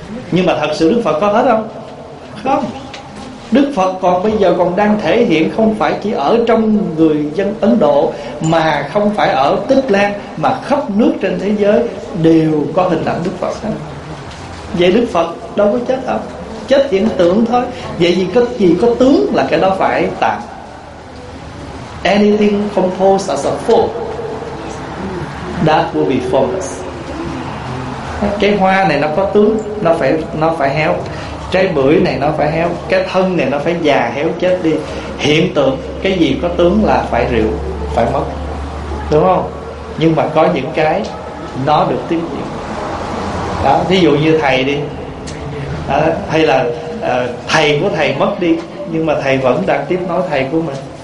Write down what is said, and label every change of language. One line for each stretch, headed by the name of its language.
Vietnamese: Nhưng mà thật sự Đức Phật có hết không? Không. Đức Phật còn bây giờ còn đang thể hiện, không phải chỉ ở trong người dân Ấn Độ, mà không phải ở Tích Lan, mà khắp nước trên thế giới đều có hình ảnh Đức Phật hết. Vậy Đức Phật đâu có chết đâu, chết hiện tượng thôi. Vậy vì cái gì có tướng là cái đó phải tạm.
English: Anything composed as a form, that will be formless.
Vietnamese: Cái hoa này nó có tướng, nó phải héo. Trái bưởi này nó phải héo. Cái thân này nó phải già héo chết đi. Hiện tượng, cái gì có tướng là phải rượu, phải mất, đúng không? Nhưng mà có những cái nó được tiếp diễn. Đó, ví dụ như thầy đi đó, hay là thầy của thầy mất đi, nhưng mà thầy vẫn đang tiếp nối thầy của mình.